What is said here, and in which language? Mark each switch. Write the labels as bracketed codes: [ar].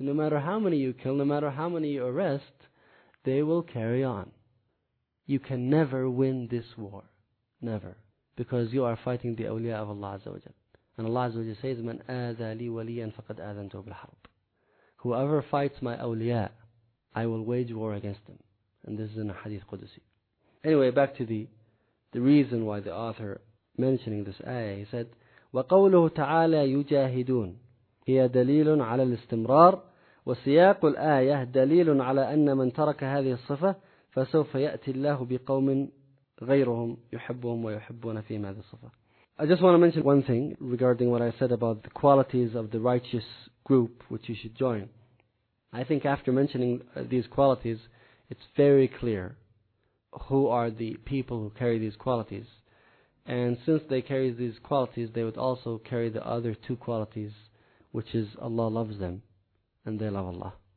[en] No matter how many you kill, no matter how many you arrest, they will carry on. You can never win this war. Never. Because you are fighting the awliya of Allah Azza wa Jalla. And Allah Azza wa Jalla says, [ar] "Man aza li waliyan faqad adhantu bil harb." [en] Whoever fights my awliya, I will wage war against them. And this is in a hadith Qudusi. Anyway, back to the reason why the author mentioning this ayah, he said, [ar] وَقَوْلُهُ تَعَالَى يُجَاهِدُونَ هِيَ دَلِيلٌ عَلَى الْإِسْتِمْرَارِ وَسِيَاقُ الْآيَةِ دَلِيلٌ عَلَى أَنَّ مَنْ تَرَكَ هَذِهِ الصِّفَةِ فَسَوْفَ يَأْتِ اللَّهُ بِقَوْمٍ غَيْرُهُمْ يُحِبُّهُمْ وَيُحِبُّونَ فِيهِمْ هَذِهِ الصِّفَةِ. [en] I just want to mention one thing regarding what I said about the qualities of the righteous group which you should join. I think after mentioning these qualities, it's very clear who are the people who carry these qualities. And since they carry these qualities, they would also carry the other two qualities, which is Allah loves them and they love Allah.